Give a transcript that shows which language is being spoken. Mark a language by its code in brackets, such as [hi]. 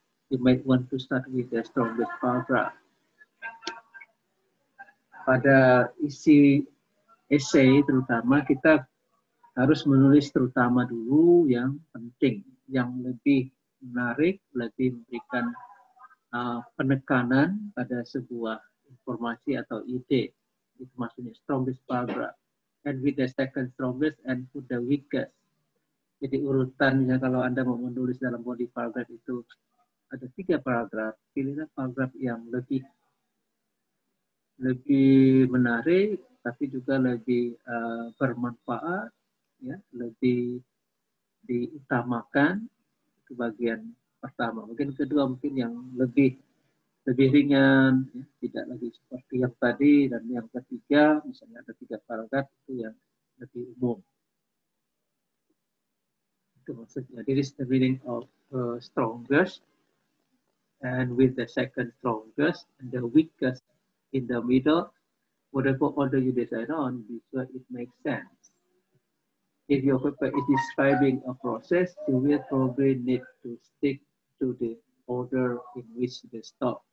[en] You might want to start with the strongest paragraph. [id] Pada isi essay terutama, kita harus menulis terutama dulu yang penting, yang lebih menarik, lebih memberikan penekanan pada sebuah informasi atau ide. Itu maksudnya strongest paragraph. [en] And with the second strongest and put the weakest. [id] Jadi urutannya kalau Anda mau menulis dalam body paragraph itu ada tiga paragraph, pilihlah paragraph yang lebih menarik, tapi juga lebih bermanfaat, ya, lebih diutamakan itu bagian pertama. Mungkin kedua mungkin yang lebih ringan, ya, tidak lagi seperti yang tadi, dan yang ketiga, misalnya ada tiga paragraf itu yang lebih umum. Itu maksudnya. [en] This is the meaning of strongest, and with the second strongest, and the weakest in the middle, whatever order you decide on, be sure it makes sense. If your paper is describing a process, you will probably need to stick to the order in which the stop.